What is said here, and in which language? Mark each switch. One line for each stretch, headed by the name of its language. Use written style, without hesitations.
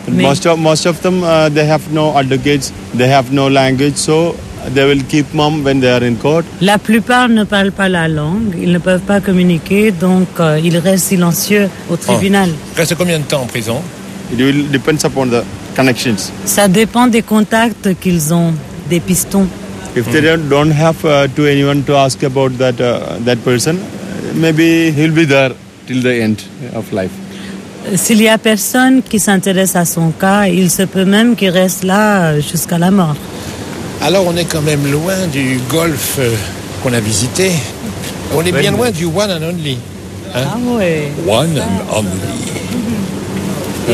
English: Most of them they have no advocates, they have no language, so they will keep mum when they are in court.
French: La plupart ne parlent pas la langue, ils ne peuvent pas communiquer, donc ils restent silencieux au tribunal. Oh. Reste combien de temps en prison?
English: It will depends upon the connections.
French: Ça dépend des contacts qu'ils ont, des pistons.
English: If they don't have to anyone to ask about that that person, maybe he'll be there till the end of life.
French: S'il y a personne qui s'intéresse à son cas, il se peut même qu'il reste là jusqu'à la mort. Alors on est quand même loin du golf qu'on a visité. On est bien loin du one and only. Hein? Ah ouais. One and only.